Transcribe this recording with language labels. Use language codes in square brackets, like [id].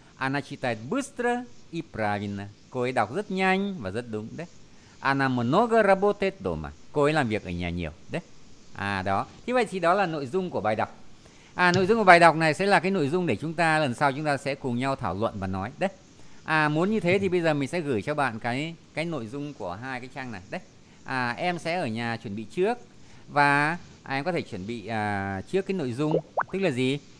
[ru] Она читает быстро и правильно. [vi] Cô ấy đọc rất nhanh và rất đúng đấy. [ru] Она много работает дома. [vi] Cô ấy làm việc ở nhà nhiều đấy. À đó. Thế vậy thì đó là nội dung của bài đọc. À, nội dung của bài đọc này sẽ là cái nội dung để chúng ta lần sau chúng ta sẽ cùng nhau thảo luận và nói đấy. À, muốn như thế thì bây giờ mình sẽ gửi cho bạn cái nội dung của hai cái trang này đấy. À, em sẽ ở nhà chuẩn bị trước và em có thể chuẩn bị trước cái nội dung, tức là gì?